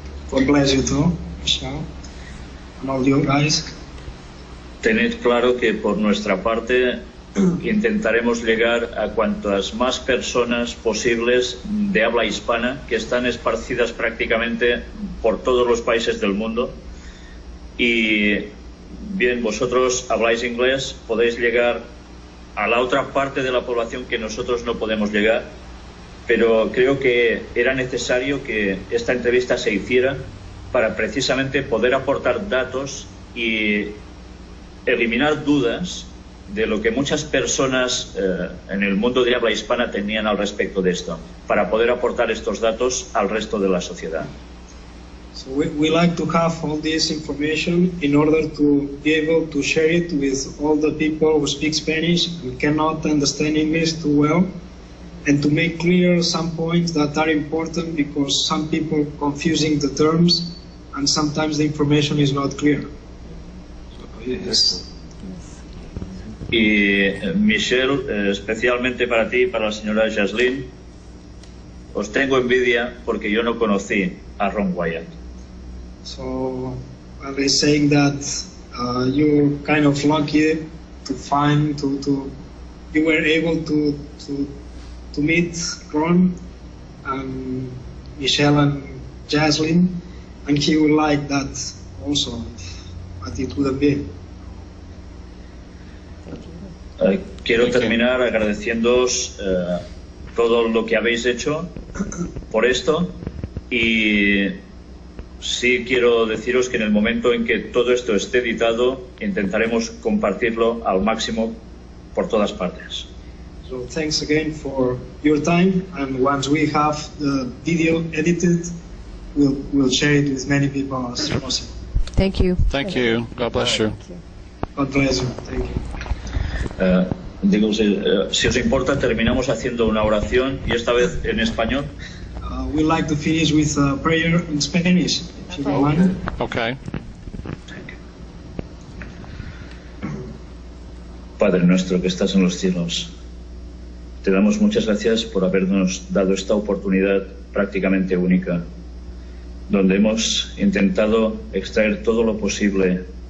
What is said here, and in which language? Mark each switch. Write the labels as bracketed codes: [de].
[en] God bless you too, Michelle, and all you guys. [es] Tened claro que por nuestra parte intentaremos llegar a cuantas más personas posibles de habla hispana que están esparcidas prácticamente por todos los países del mundo. Y bien, vosotros habláis inglés, podéis llegar a la otra parte de la población que nosotros no podemos llegar, pero creo que era necesario que esta entrevista se hiciera para precisamente poder aportar datos y eliminar dudas de lo que muchas personas en el mundo de habla hispana tenían al respecto de esto, para poder aportar estos datos al resto de la sociedad. [en] So we like to have all this information in order to be able to share it with all the people who speak Spanish and cannot understand English too well, and to make clear some points that are important because some people are confusing the terms and sometimes the information is not clear. So, yes. [es] Y Michelle, especialmente para ti y para la señora Jaslyn, os tengo envidia porque yo no conocí a Ron Wyatt. [en] So I was saying that you're kind of lucky to find to you were able to meet Ron and Michelle and Jaslyn, and he would like that also, but it would have been. [es] Quiero terminar agradeciéndoos todo lo que habéis hecho por esto y Sí, quiero deciros que en el momento en que todo esto esté editado, intentaremos compartirlo al máximo por todas partes. [en] So thanks again for your time, and once we have the video edited, we'll share it with many people as possible. Thank you. Thank you. God bless you. God bless you. Thank you. [es] Digo, si os importa, terminamos haciendo una oración, y esta vez en español. [en] We'd like to finish with a prayer in Spanish, if you don't mind. Okay. [es] Padre nuestro que estás en los cielos, te damos muchas gracias por habernos dado esta oportunidad prácticamente única, donde hemos intentado extraer todo lo posible